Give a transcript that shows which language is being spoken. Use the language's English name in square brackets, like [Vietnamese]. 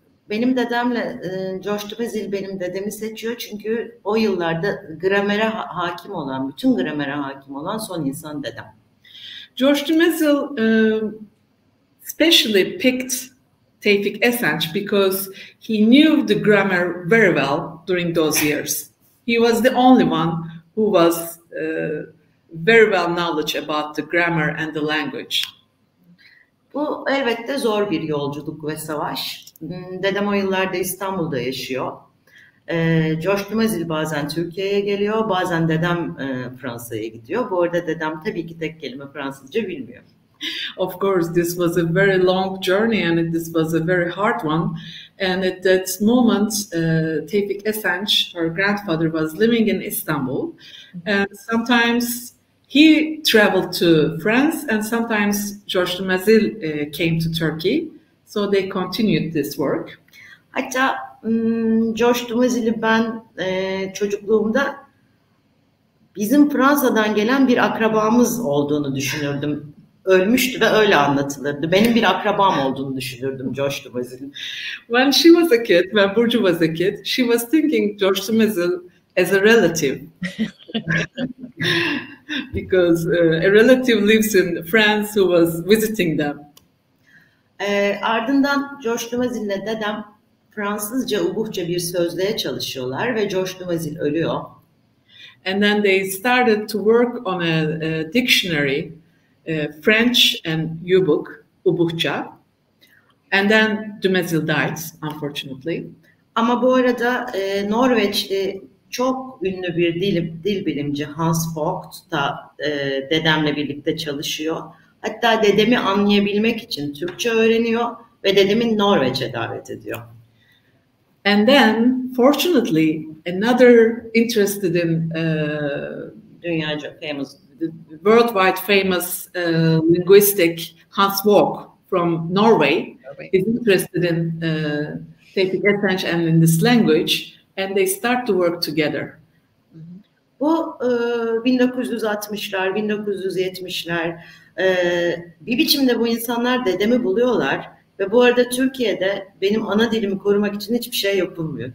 [Turkish] Benim dedemle, Josh Dumezil benim dedemi seçiyor çünkü o yıllarda gramere hakim olan, bütün gramere hakim olan son insan dedem. [English] Josh Dumezil specially picked Tevfik Esenç because he knew the grammar very well during those years. He was the only one who was very well knowledge about the grammar and the language. [Turkish] Bu elbette zor bir yolculuk ve savaş. Dedem o yıllarda İstanbul'da yaşıyor. Josh Dumezil bazen Türkiye'ye geliyor, bazen dedem Fransa'ya gidiyor. Bu arada dedem tabii ki tek kelime Fransızca bilmiyor. [English] Of course, this was a very long journey and this was a very hard one. And at that moment, Tevfik Esenç, her grandfather, was living in Istanbul. And sometimes he traveled to France and sometimes Josh Dumezil came to Turkey. So they continued this work. [Turkish] Hatta Josh Dumezil'i ben çocukluğumda bizim Fransa'dan gelen bir akrabamız olduğunu düşünürdüm. Ölmüştü ve öyle anlatılırdı. Benim bir akrabam olduğunu düşünürdüm Josh Dumezil'in. [English] When she was a kid, when Burcu was a kid, she was thinking Josh Dumezil as a relative. Because a relative lives in France who was visiting them. [Turkish] Ardından Josh Dumezil'le dedem Fransızca, Ubykhça bir sözlüğe çalışıyorlar ve George Duvazil ölüyor. [English] And then they started to work on a dictionary, French and Ubykh, Ubykhça. And then Duvazil died, unfortunately. [Turkish] Ama bu arada Norveçli çok ünlü bir dil bilimci Hans Vogt da dedemle birlikte çalışıyor. Hatta dedemi anlayabilmek için Türkçe öğreniyor ve dedemi Norveç'e davet ediyor. [English] And then, fortunately, another interested in [Turkish] dünyaca famous, [English] worldwide famous linguistic Hans Vogt from Norway is interested in Tevifik Esenç and in this language, and they start to work together. [Turkish] Bu 1960'lar, 1970'ler bir biçimde bu insanlar dedemi buluyorlar. Ve bu arada Türkiye'de benim ana dilimi korumak için hiçbir şey yapılmıyor.